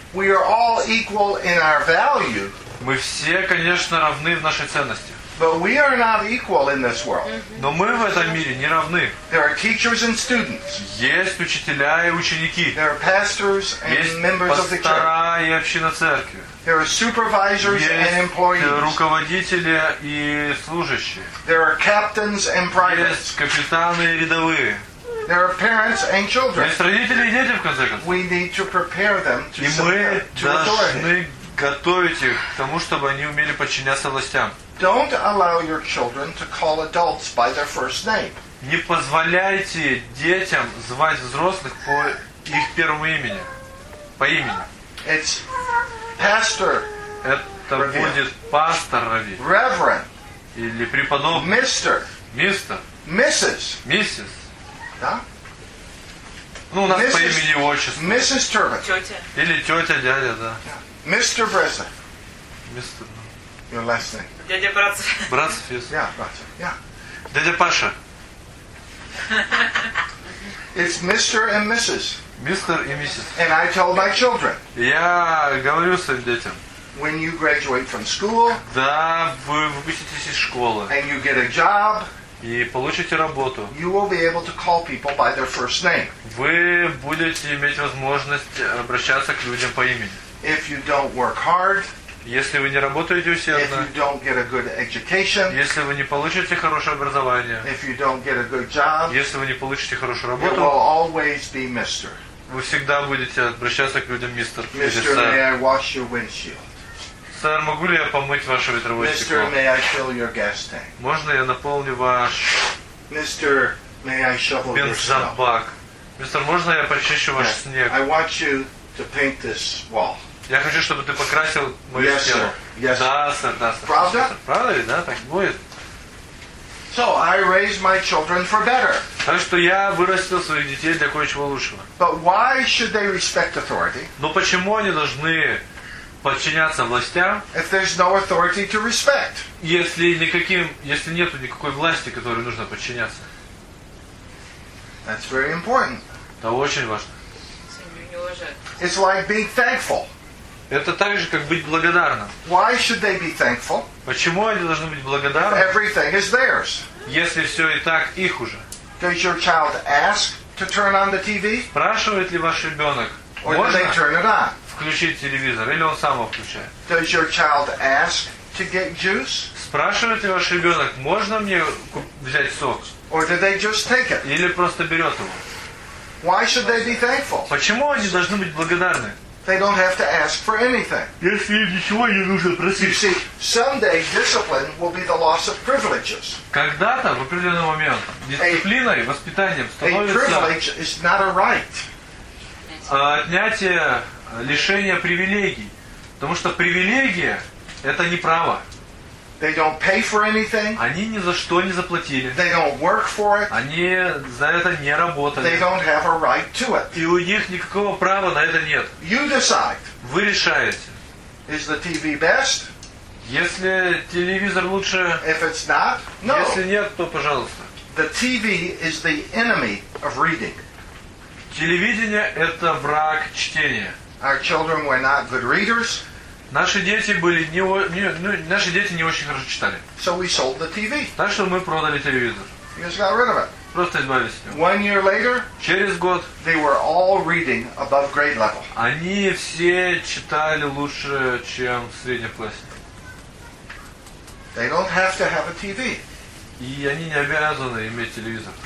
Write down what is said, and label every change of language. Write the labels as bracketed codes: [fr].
[en] We are all equal in our value. [ru] Мы все, конечно, равны в нашей ценности. [en] But we are not equal in this world. [ru] Но мы в этом мире не равны. [en] There are teachers and students. [ru] Есть учителя и ученики. [en] There are pastors and members of the church. [ru] Есть пастора и община церкви. [en] There are supervisors and employees. [ru] Есть руководители и служащие. [en] There are captains and privates. [ru] Есть капитаны и рядовые. [en] There are parents and children. [ru] Есть родители и дети, в конце концов. [en] We need to prepare them to submit to authority. [ru] И мы должны готовить их к тому, чтобы они умели подчиняться властям. [en] Don't allow your children to call adults by their first name. [ru] Не позволяйте детям звать взрослых по их первому имени. По имени. [en] It's pastor. [ru] Это будет пастор Рави. [en] Reverend. [ru] или преподобный. Мистер. Мистер. Миссис. Миссис. Да? Ну, у нас миссис, по имени и отчеству. Миссис Турбан. Тетя. Или тетя, дядя, да. Мистер Бреза. Мистер. [en] Your last name. [ru] Дядя Братцев. Братцев, [en] yes. Yeah, Братцев, yeah. [ru] Дядя Паша. [en] It's Mr. and Mrs. [ru] Мистер и миссис. [en] And I tell my children. [ru] Я говорю своим детям. [en] When you graduate from school. [ru] Да, вы выпуститесь из школы. [en] And you get a job. [ru] И получите работу. [en] You will be able to call people by their first name. [ru] Вы будете иметь возможность обращаться к людям по имени. [en] If you don't work hard. [ru] Если вы не работаете усердно. [en] If you don't get a good education. [ru] Если вы не получите хорошее образование. [en] If you don't get a good job. [ru] Если вы не получите хорошую работу. [en] You will always be Mr. [ru] Вы всегда будете обращаться к людям мистер. [en] Mr. May I wash your windshield? [ru] Сэр, могу ли я помыть ваше ветровое [en] Mister, [ru] стекло? [en] May I fill your gas tank? [ru] Можно я наполню ваш [en] Mister, may I shovel [ru] бензобак? Мистер, можно я почищу ваш снег? [en] I want you to paint this wall. [ru] Я хочу, чтобы ты покрасил мою [en] yes, [ru] стену. [en] Yes. [ru] Да, сэр, да, сэр. Правда? Правда ли, да, так будет? [en] So I raise my children for better. [ru] Так что я вырастил своих детей для кое-чего лучшего. [en] But why should they respect authority? [ru] Но почему они должны подчиняться властям? [en] If there's no authority to respect. [ru] Если никаким, если нету никакой власти, которой нужно подчиняться. [en] That's very important. [ru] Это очень важно. [en] It's like being thankful. [ru] Это так же, как быть благодарным. [en] Why should they be thankful? [ru] Почему они должны быть благодарны? [en] If everything is theirs. [ru] Если все и так их уже. [en] Does your child ask to turn on the TV? [ru] Спрашивает ли ваш ребенок? [en] Or [ru] можно? [en] Do they turn it on? [ru] Включить телевизор или он сам его включает. [en] Does your child ask to get juice? [ru] Спрашивает ли ваш ребенок, можно мне взять сок? [en] Or do they just take it? [ru] Или просто берет его. [en] Why should they be thankful? [ru] Почему они должны быть благодарны? [en] They don't have to ask for anything. [ru] Если ничего не нужно просить. [en] You see, someday discipline will be the loss of privileges. [ru] Когда-то в определенный момент дисциплиной, воспитанием становится. [en] A privilege is not a right. [ru] Отнятие лишение привилегий. Потому что привилегия это не право. [en] They don't pay for anything. [ru] Они ни за что не заплатили. [en] They don't work for it. [ru] Они за это не работали. [en] They don't have a right to it. [ru] И у них никакого права на это нет. [en] You decide. [ru] Вы решаете. [en] Is the TV best? [ru] Если телевизор лучше. [en] If it's not, no. [ru] Если нет, то пожалуйста. [en] The TV is the enemy of reading. [ru] Телевидение – это враг чтения. [en] Our children were not good readers. [ru] Наши дети были наши дети не очень хорошо читали. [en] So we sold the TV. [ru] Так что мы продали телевизор. [en] We just got rid of it. [ru] Просто избавились от него. [en] One year later. [ru] Через год. [en] They were all reading above grade level. [ru] Они все читали лучше, чем в среднем классе. [en] They don't have to have a TV. [ru] И они не обязаны иметь телевизор.